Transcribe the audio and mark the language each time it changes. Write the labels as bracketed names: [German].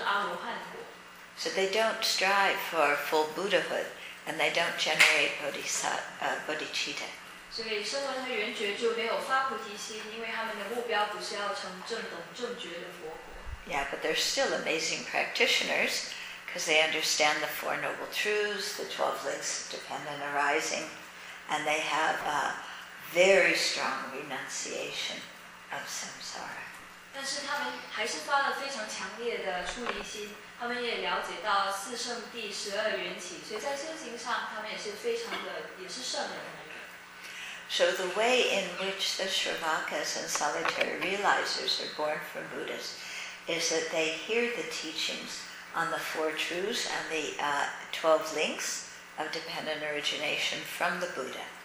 [Chinese] 所以这些人声闻和缘觉就是发了非常强烈的出离心，从中就他们的修行的目标就是要证阿罗汉果。 [English] So they don't strive for full Buddhahood. And they don't generate bodhicitta. [Chinese] So, 声闻和缘觉就没有发菩提心，因为他们的目标不是要成正等正觉的佛果。 [English] Yeah, but they're still amazing practitioners because they understand the Four Noble Truths, the 12 links of dependent arising, and they have a very strong renunciation of samsara. [Chinese] 但是他们还是发了非常强烈的出离心，他们也了解到四圣谛、十二缘起，所以在修行上，他们也是非常的，也是圣人。So [English] the way in which the Shravakas and solitary realizers are born from Buddhas is that they hear the teachings on the Four Truths and the 12 links of dependent origination from the Buddha.